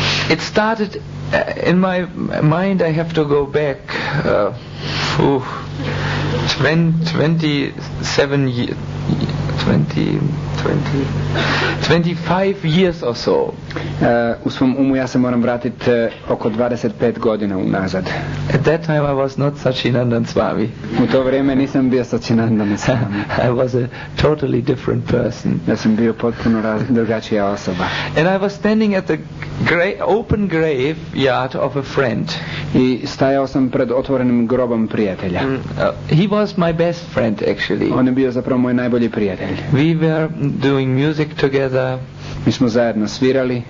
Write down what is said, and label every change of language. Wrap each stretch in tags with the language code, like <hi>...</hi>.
<en>It started in my mind, I have to go back 25 years or so.</en> <hr>U svom umu ja se moram vratiti oko 25 godina unazad.</hr> <en>At that time I was not Satchinandan Swami.</en> <hr>U to vrijeme nisam bio Satchinandan Swami.</hr> <en>I was a totally different person.</en> <hr>Ja sam bio potpuno drugačija osoba.</hr> <en>And I was standing at the open graveyard of a friend.</en> <hr>I stajao sam pred otvorenim grobom prijatelja.</hr> <en>He was my best friend actually.</en> <hr>On je bio zapravo moj najbolji prijatelj.</hr> <en>We were doing music together.</en> <hr>Mi smo zajedno svirali.</hr>